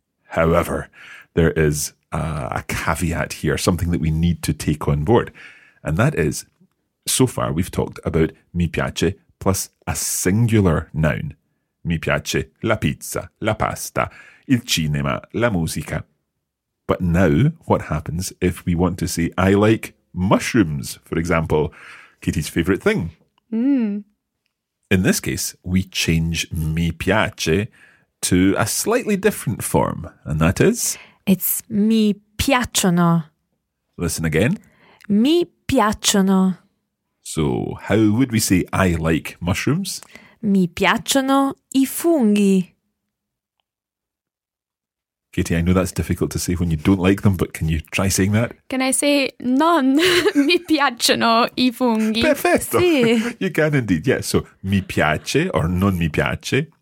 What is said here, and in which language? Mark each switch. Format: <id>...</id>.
<en>However, there is a caveat here, something that we need to take on board. And that is, so far we've talked about</en> <it>mi piace</it> <en>plus a singular noun.</en> <it>Mi piace la pizza, la pasta, il cinema, la musica.</it> <en>But now what happens if we want to say I like mushrooms, for example, Katie's favourite thing? In this case, we change</en> <it>mi piace</it> <en>to a slightly different form, and that is? It's</en> <it>mi piacciono.</it> <en>Listen again.</en> <it>Mi piacciono.</it> <en>So how would we say I like mushrooms?</en> <it>Mi piacciono I funghi.</it> <en>Katie, I know that's difficult to say when you don't like them, but can you try saying that? Can I say</en> <it>non mi piacciono I funghi? Perfetto. Sì.</it> <en>You can indeed. Yeah, so</en> <it>mi piace</it> <en>or</en> <it>non mi piace.</it>